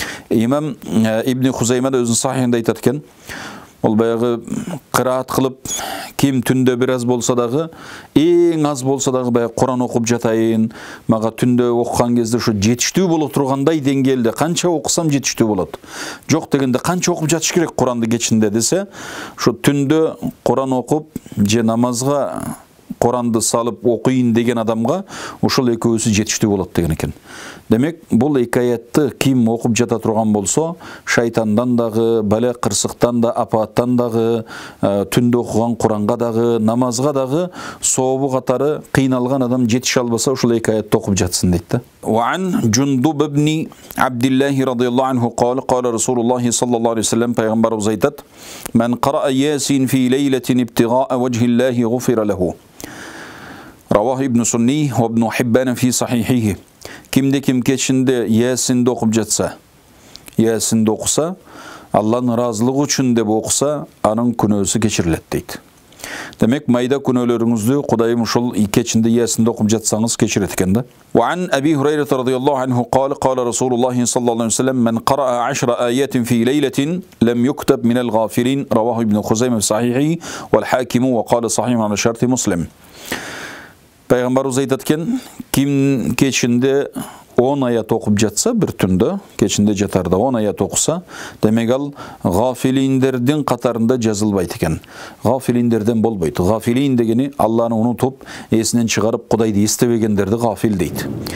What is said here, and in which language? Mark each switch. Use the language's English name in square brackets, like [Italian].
[Kyrgyz] Имам ибн Хузаймат өзүнүн сахихинде айтат экен, ол баягы қираат кылып ким түндө бир аз болса дагы, эң аз болса дагы баягы Куран окуп жатайын, мага түндө окуган кезде ушу жетиштүү боло тургандай деңгээлде, канча окусам жетиштүү болот, жок дегенде канча окуп жатыш керек Куранды кечинде десе, ушу түндө Куран окуп же намазга Куранды салып окуйун деген адамга ушул экөөсү жетиштүү болот деген экен. Демек, бул эки аятты ким окуп жата турган болсо, шайтандан дагы, бале кырсыктан да, апааттан дагы, түндө окуган Куранга дагы, намазга дагы сообу катары кыйналган адам жетише албаса ушул эки аятты окуп жатсын дейт да. [Arabic] وعن جندب بن عبد الله رضي الله عنه قال قال رسول الله صلى الله عليه وسلم پیغمبر ابو زيدت من قرأ ياسين في ليلة ابتغاء وجه الله غفر له. رواه ابن سني وابن حبان في صحيحه. [Kyrgyz] Кимде ким кечинде Ясинди окуп жатса, Ясинди окуса, Алланын ыраазылыгы үчүн деп окуса, анын күнөөсү кечирилет дейт. Демек, майда күнөөлөрүңүздү Кудайым ушул кечинде Ясинди окуп жатсаңыз кечирет экен да. [Arabic] وعن أبي هريرة رضي الله عنه قال قال رسول الله صلى الله عليه وسلم من قرأ 10 آيات في ليلة لم يكتب من الغافلين. رواه ابن خزيمة صحيحه والحاكم وقال صحيح على شرط مسلم. [Kyrgyz] Пайгамбар узайт аткен, ким кечинде 10 аят окуп жатса бир түндө, кечинде жатарда 10 аят окуса, демек ал гафилиндердин катарында жазылбайт экен. Гафилиндерден болбойт. Гафилин дегени Алланы унутуп, эсинен чыгарып Кудайды эстебегендерди гафил дейт.